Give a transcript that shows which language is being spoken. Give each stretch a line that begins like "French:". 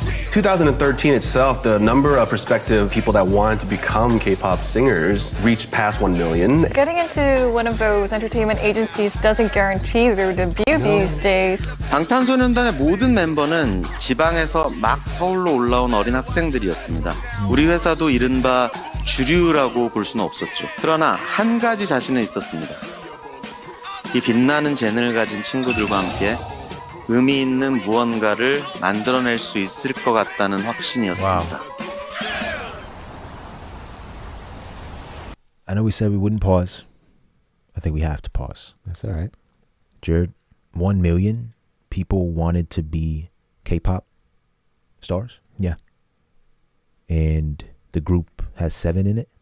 English: 2013 itself, the number of prospective people that wanted to become K-pop singers reached past 1 million. Getting into one of those entertainment agencies doesn't guarantee their debut these days.
Korean: 방탄소년단의 모든 멤버는 지방에서 막 서울로 올라온 어린 학생들이었습니다. 우리 회사도 이른바 주류라고 볼 수는 없었죠. 그러나 한 가지 자신은 있었습니다. 이 빛나는 재능을 가진 친구들과 함께 의미 있는 무언가를 만들어낼 수 있을 것 같다는 확신이었습니다.
English: Wow. I know we said we wouldn't pause. I think we have to pause. That's all right. Jared, 1 million people wanted to be K-pop stars? Yeah. And the group has 7 in it?